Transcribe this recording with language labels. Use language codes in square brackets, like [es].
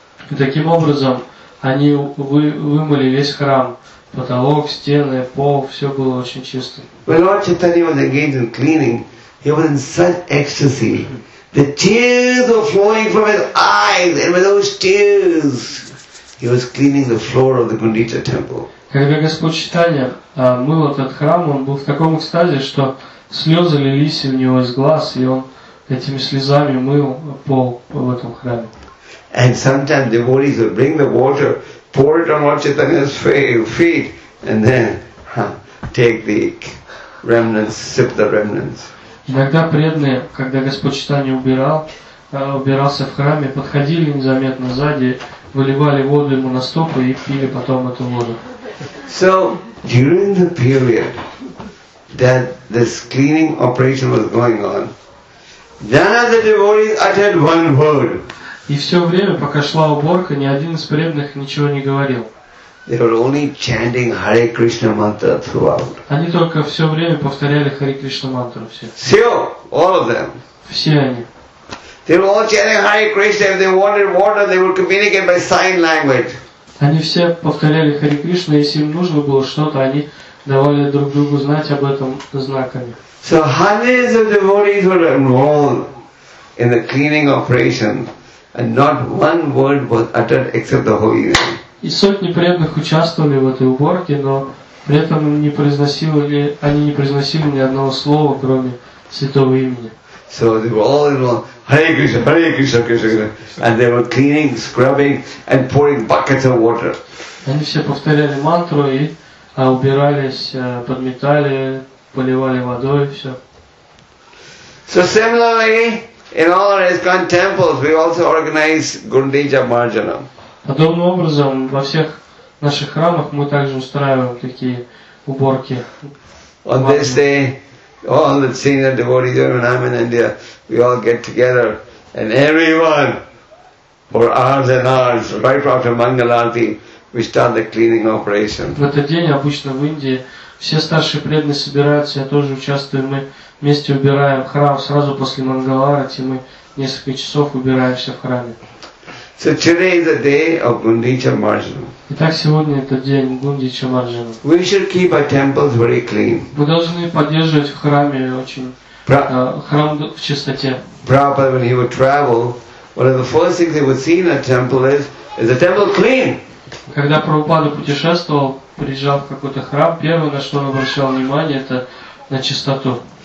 [ru] И таким образом, они вымыли весь храм, потолок, стены, пол, все было очень чисто. [en] When Lord Chaitanya was engaged in cleaning, he was in such ecstasy. The tears were flowing from his eyes, and with those tears, he was cleaning the floor of the Gundicha temple. [ru] Когда Господь Читания мыл этот храм, он был в таком экстазе, что слезы лились у него из глаз, и он этими слезами мыл пол в этом храме. [en] And sometimes devotees would bring the water, pour it on Lord Chaitanya's feet, and then take the remnants, sip the remnants. [ru] Иногда преданные, когда Господь Читания убирался в храме, подходили незаметно сзади, выливали воду ему на стопы и пили потом эту воду. [en] So during the period that this cleaning operation was going on, none of the devotees uttered one word. [ru] И все время, пока шла уборка, ни один из преданных ничего не говорил. [en] They were only chanting Hare Krishna mantra throughout. [ru] Они только все время повторяли Hare Krishna mantra все. [en] Все, all of them. [ru] Все они. [en] They were all chanting Hare Krishna. If they wanted water, they would communicate by sign language. [ru] Они все повторяли Хари Кришна, если им нужно было что-то, они давали друг другу знать об этом знаками. [en] So hundreds of devotees were involved in the cleaning operation, and not one word was uttered except the holy name. [ru] и сотни преданных участвовали в этой уборке, но при этом не произносили, они не произносили ни одного слова, кроме святого имени. [en] So they were all in one, Hare Krishna, Hare Krishna, Krishna Krishna. And they were cleaning, scrubbing and pouring buckets of water. [ru] Они все повторяли мантру и убирались, подметали, поливали водой и все. [en] So similarly, in all our ISKCON temples, we also organize Gundija Marjanam. [ru] Подобным образом, во всех наших храмах мы также устраиваем такие уборки. [en] On this day, all the senior devotees, when I'm in India, we all get together, and everyone, for hours and hours, right after Mangal Arati, we start the cleaning operation. [ru] В этот день обычно в Индии все старшие преданные собираются, я тоже участвую, мы вместе убираем храм сразу после Мангал Арати, мы несколько часов убираемся в храме. [en] So today is the day of Gundicha Marjana. [ru] Итак, сегодня этот день Гундича Марджана. [en] We should keep our temples very clean. [ru] Мы должны поддерживать в храме храм в чистоте. [en] Prabhupada, when he would travel, one of the first things he would see in a temple is the temple clean. [ru] Когда Прабхупада путешествовал, приезжал в какой-то храм, первое, на что он обращал внимание, это на чистоту.